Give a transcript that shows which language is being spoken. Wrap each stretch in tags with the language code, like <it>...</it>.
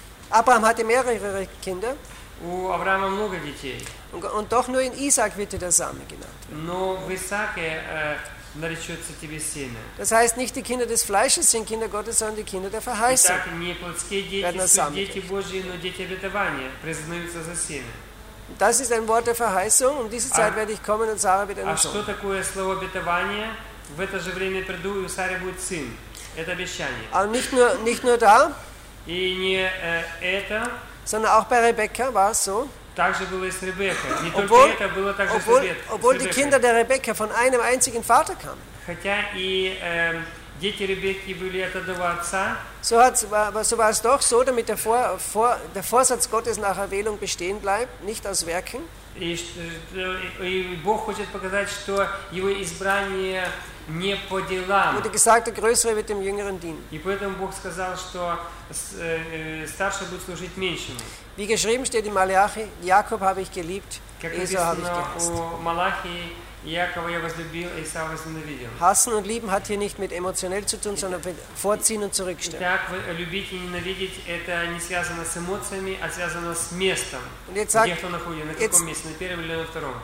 <de>Abraham hatte mehrere Kinder.</de> <ru>У Авраама много детей.</ru> <de>Und doch nur in Isaac wird der Same genannt.</de> <ru>Но в Исааке наречется тебе семя.</ru> <de>Das heißt, nicht die Kinder des Fleisches sind Kinder Gottes, sondern die Kinder der Verheißung.</de> <ru>Итак, не плотские дети сын, дети Божьи, но дети обетования признаются за семя.</ru> <de>Das ist ein Wort der Verheißung. Um diese Zeit werde ich kommen und Sarah wird einen Sohn.</de> <ru>А что такое слово обетование? В это же время приду и у Сары будет сын. Это обещание.</ru> <de>Aber nicht nur da.</de> <ru>И не это.</ru> <de>Sondern auch bei Rebekka war es so.</de> <ru>Также было и с Ребеккой. Не только это, было также с Ребеккой.</ru> <de>Obwohl die Kinder der Rebekka von einem einzigen Vater kamen.</de> <ru>Хотя и дети Ребекки были от одного отца.</ru> <de>So war es doch so, damit der Vorsatz Gottes nach Erwählung bestehen bleibt, nicht aus Werken.</de> <ru>И Бог хочет показать, что его избрание не по делам.</ru> <de>Wurde gesagt, der Größere wird dem Jüngeren dienen.</de> <ru>И поэтому Бог сказал, что старший будет служить меньшему.</ru> <de>Wie geschrieben steht in Malachi, Jakob habe ich geliebt, Esau habe ich gehasst.</de> <ru>У Малахии Якова я возлюбил, Исаава возненавидел.</ru> <de>Hassen und lieben hat hier nicht mit emotionell zu tun, sondern mit vorziehen und zurückstellen.</de> <ru>Итак, любить и ненавидеть это не связано с эмоциями, а связано с местом.</ru> <de>Und jetzt sagt,</de> <ru>где кто находится, на каком jetzt, месте, на первом или на втором.</ru>